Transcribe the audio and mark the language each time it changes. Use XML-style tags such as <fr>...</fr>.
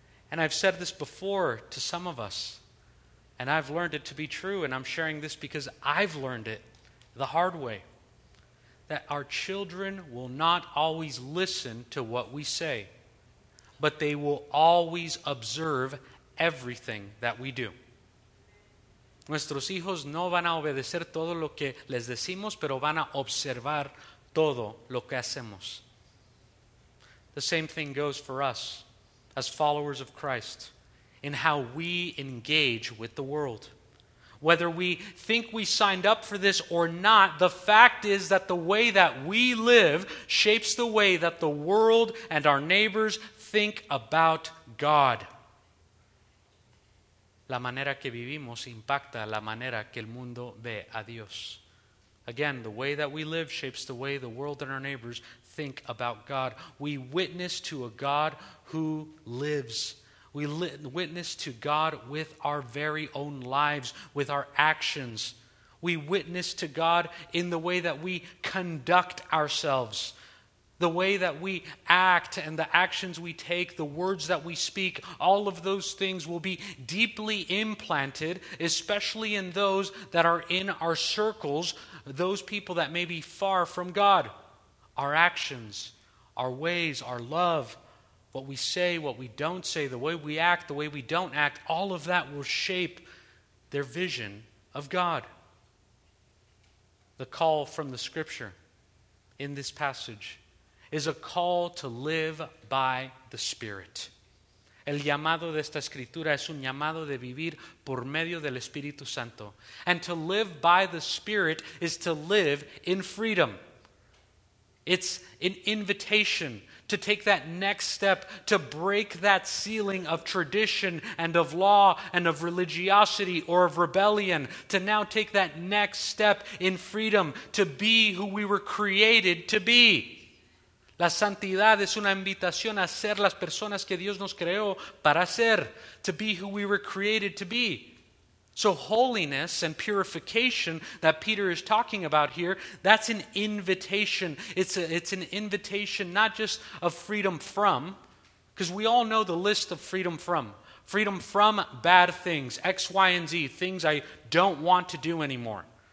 <en>And I've said this before to some of us, and I've learned it to be true, and I'm sharing this because I've learned it the hard way, that our children will not always listen to what we say, but they will always observe everything that we do.</en> <es>Nuestros hijos no van a obedecer todo lo que les decimos, pero van a observar todo lo que hacemos.</es> <en>The same thing goes for us as followers of Christ in how we engage with the world. Whether we think we signed up for this or not, the fact is that the way that we live shapes the way that the world and our neighbors think about God.</en> <es>La manera que vivimos impacta la manera que el mundo ve a Dios.</es> <en>Again, the way that we live shapes the way the world and our neighbors think about God. We witness to a God who lives. We witness to God with our very own lives, with our actions. We witness to God in the way that we conduct ourselves. The way that we act and the actions we take, the words that we speak, all of those things will be deeply implanted, especially in those that are in our circles, those people that may be far from God. Our actions, our ways, our love, what we say, what we don't say, the way we act, the way we don't act, all of that will shape their vision of God. The call from the scripture in this passage is a call to live by the Spirit.</en> <es>El llamado de esta escritura es un llamado de vivir por medio del Espíritu Santo.</es> <en>And to live by the Spirit is to live in freedom. It's an invitation to take that next step, to break that ceiling of tradition and of law and of religiosity or of rebellion, to now take that next step in freedom, to be who we were created to be.</en> <es>La santidad es una invitación a ser las personas que Dios nos creó para ser,</es> <en>to be who we were created to be. So holiness and purification that Peter is talking about here, that's an invitation. It's an invitation not just of freedom from, because we all know the list of freedom from. Freedom from bad things, X, Y, and Z, things I don't want to do anymore.</en>